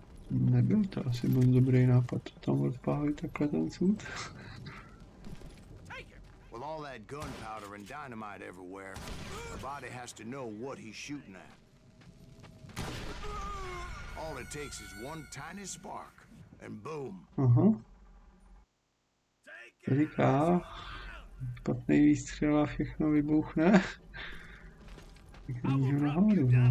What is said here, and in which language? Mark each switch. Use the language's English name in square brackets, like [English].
[Czech] Nebyl to asi moc dobrý nápad to tam odpálit takhle ten sud. [English] Gunpowder and dynamite everywhere. The body has to know what he's shooting at. All it takes is one tiny spark, and boom. [Czech] Říká, špatný výstřel a všechno vybuchne. Jdu nahoru.